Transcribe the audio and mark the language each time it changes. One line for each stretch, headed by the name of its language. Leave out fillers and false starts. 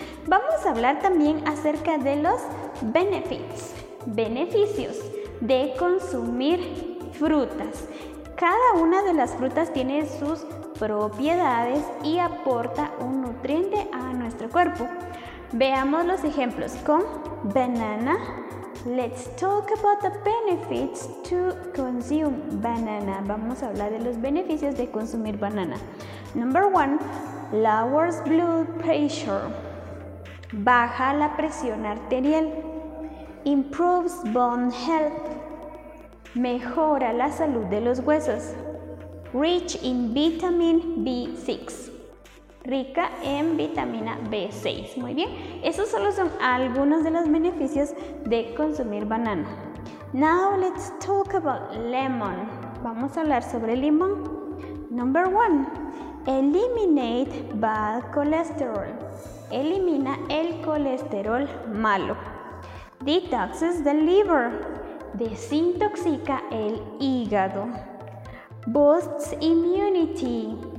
Spanish: Vamos a hablar también acerca de los benefits, beneficios de consumir frutas. Cada una de las frutas tiene sus propiedades y aporta un nutriente a nuestro cuerpo. Veamos los ejemplos con banana.
English: Let's talk about the benefits to consume banana.
Spanish: Vamos a hablar de los beneficios de consumir banana.
English: Number one, lowers blood pressure.
Spanish: Baja la presión arterial.
English: Improves bone health.
Spanish: Mejora la salud de los huesos.
English: Rich in vitamin B6.
Spanish: Rica en vitamina B6. Muy bien. Esos solo son algunos de los beneficios de consumir banana.
English: Now let's talk about lemon.
Spanish: Vamos a hablar sobre limón.
English: Number one. Eliminate bad cholesterol.
Spanish: Elimina el colesterol malo.
English: Detoxes the liver.
Spanish: Desintoxica el hígado.
English: Boosts immunity.